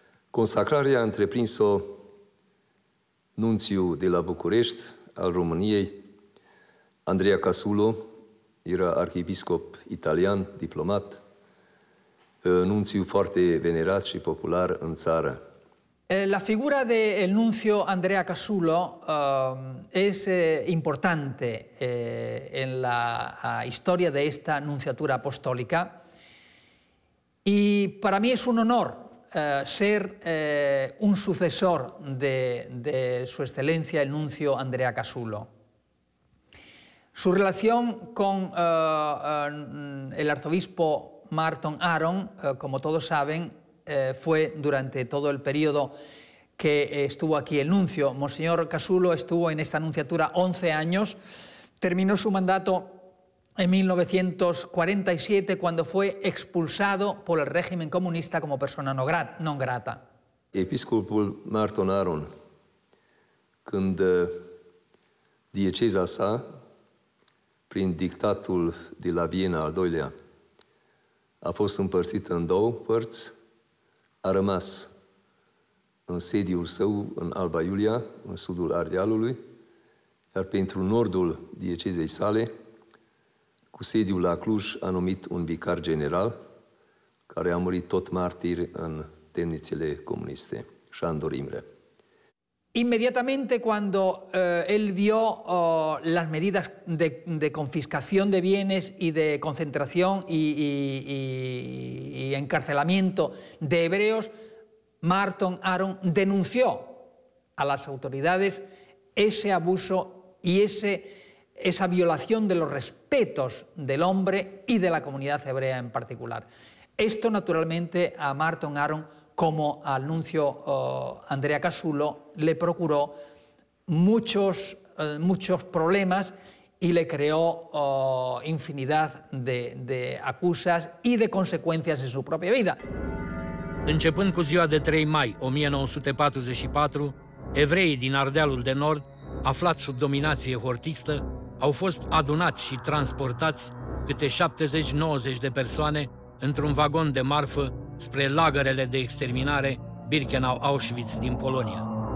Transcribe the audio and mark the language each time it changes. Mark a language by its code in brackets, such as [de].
[ro] Consacrarea a întreprins-o nunțiu de la București, al României. Andrea Casulo era arhiepiscop italian, diplomat, nunțiu foarte venerat și popular în țară. [es] La figura de el nuncio Andrea Casulo es importante en la historia de esta nunciatura apostólica y para mí es un honor ser un sucesor de su excelencia el nuncio Andrea Casulo. Su relación con el arzobispo Marton Aron, como todos saben, fue durante todo el periodo que estuvo aquí el nuncio. Monseñor Casulo estuvo en esta nunciatura 11 años, terminó su mandato en 1947 cuando fue expulsado por el régimen comunista como persona no grata. [ro] Episcopul Marton Aron, când dieceza sa, prin dictatul de la Viena al doilea, a fost împărțit în două părți, a rămas în sediul său, în Alba Iulia, în sudul Ardealului, iar pentru nordul diecezei sale, cu sediul la Cluj, a numit un vicar general, care a murit tot martir în temnițele comuniste, Sándor Imre. [es] Inmediatamente cuando él vio las medidas de confiscación de bienes y de concentración y encarcelamiento de hebreos, Marton Aron denunció a las autoridades ese abuso y esa violación de los respetos del hombre y de la comunidad hebrea en particular. Esto naturalmente a Marton Aron, como al nuncio Andrea Casulo, le procuró muchos problemas y le creó infinidad de acusas y de consecuencias en su propia vida. [ro] Începând cu ziua de 3 mai 1944, evreii din Ardealul de Nord, aflați sub dominație hortistă, au fost adunați și transportați câte 70-90 de persoane într-un vagon de marfă spre lagărele de exterminare Birkenau-Auschwitz din Polonia.